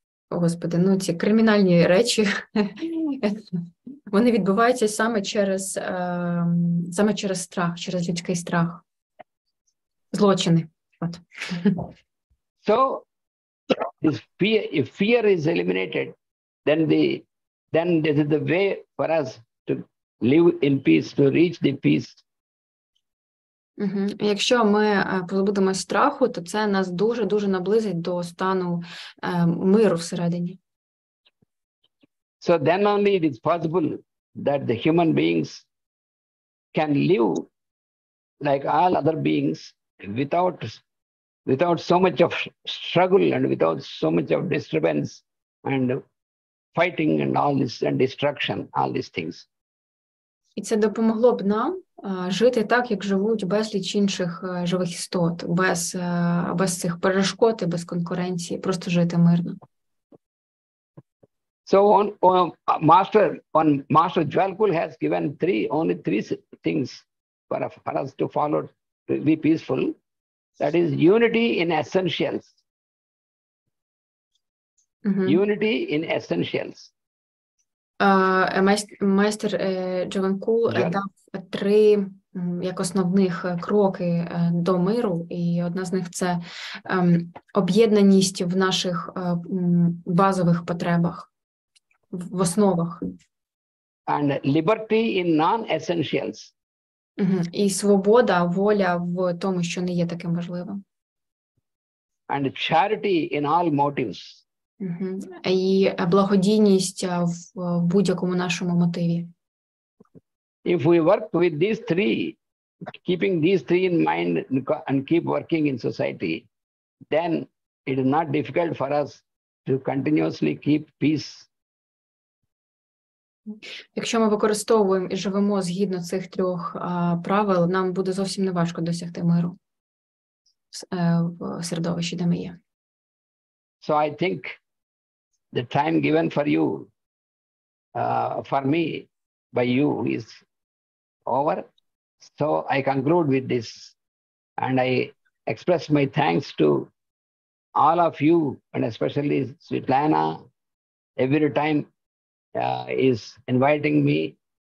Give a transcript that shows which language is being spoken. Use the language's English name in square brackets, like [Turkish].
[Ukrainian] О, Господи, ну ці кримінальні речі. Вони відбуваються саме через страх, через людський страх. Злочини. От. [English] So if fear is eliminated, then this is the way for us to live in peace, to reach the peace. [Ukrainian] Якщо ми позбудемося страху, то це нас дуже-дуже наблизить до стану миру всередині. [English] So then only it is possible that the human beings can live like all other beings without so much of struggle and without so much of disturbance and fighting and all this and destruction, all these things. [Ukrainian] І це допомогло б нам жити так, як живуть безліч інших живих істот, без цих перешкод і без конкуренції, просто жити мирно. [English] So Master Jwalkul has given only three things for us to follow to be peaceful. That is unity in essentials. Mm-hmm. Unity in essentials. [Ukrainian] Майстер Джованкул дав три як основних кроки до миру, і одна з них це об'єднаність в наших базових потребах, в основах. [English] And liberty in non-essentials. [Ukrainian] І свобода, воля в тому, що не є таким важливим. [English] And charity in all motives. [Ukrainian] І благодійність в будь-якому нашому мотиві. [English] If we work with these three, keeping these three in mind and keep working in society, then it is not difficult for us to continuously keep peace. [Ukrainian] Якщо ми використовуємо і живемо згідно цих трьох правил, нам буде зовсім неважко досягти миру в середовищі, де ми є. [English] So I think the time given for you, for me, by you is over. So I conclude with this. And I express my thanks to all of you, and especially Svetlana, every time is inviting me.